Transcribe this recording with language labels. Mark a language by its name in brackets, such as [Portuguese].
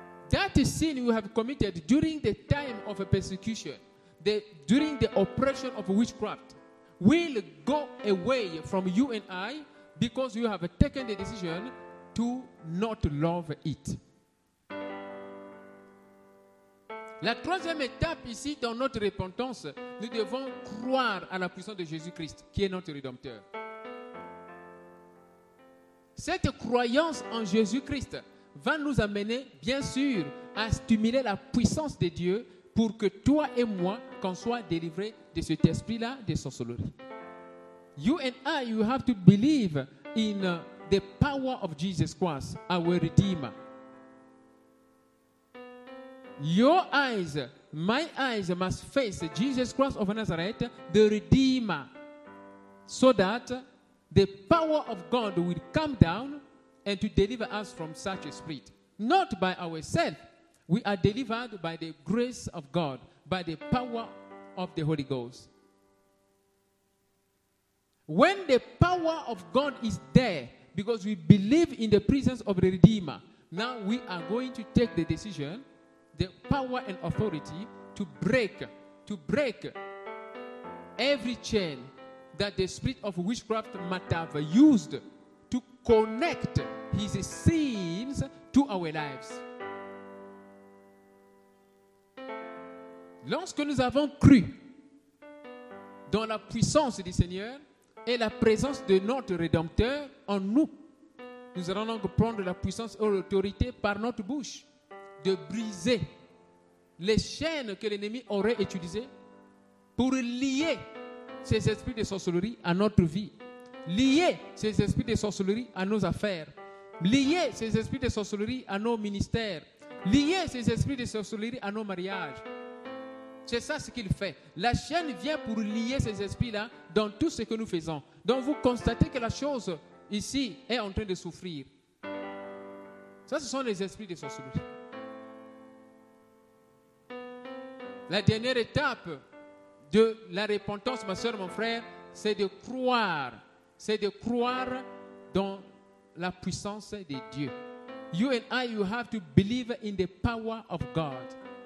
[English] That sin you have committed during the time of persecution, during the oppression of witchcraft, will go away from you and I because you have taken the decision to not love it. [French] La troisième étape ici dans notre repentance, nous devons croire à la puissance de Jésus-Christ qui est notre rédempteur. Cette croyance en Jésus-Christ va nous amener, bien sûr, à stimuler la puissance de Dieu pour que toi et moi, qu'on soit délivrés de cet esprit-là de sorcellerie. [English] You and I, you have to believe in the power of Jesus Christ, our Redeemer. Your eyes, my eyes must face Jesus Christ of Nazareth, the Redeemer, so that the power of God will come down and to deliver us from such a spirit. Not by ourselves. We are delivered by the grace of God, by the power of the Holy Ghost. When the power of God is there, because we believe in the presence of the Redeemer, now we are going to take the decision, the power and authority to break every chain that the spirit of witchcraft might have used to connect his sins to our lives. [French] Lorsque nous avons cru dans la puissance du Seigneur et la présence de notre Rédempteur en nous, nous allons donc prendre la puissance et l'autorité par notre bouche de briser les chaînes que l'ennemi aurait utilisées pour lier ces esprits de sorcellerie à notre vie, lier ces esprits de sorcellerie à nos affaires, lier ces esprits de sorcellerie à nos ministères, lier ces esprits de sorcellerie à nos mariages. C'est ça ce qu'il fait. La chaîne vient pour lier ces esprits-là dans tout ce que nous faisons. Donc vous constatez que la chose ici est en train de souffrir. Ça, ce sont les esprits de sorcellerie. La dernière étape de la repentance, ma soeur, mon frère, c'est de croire. C'est de croire dans la puissance de Dieu. [English] You and I, you have to believe in the power of God.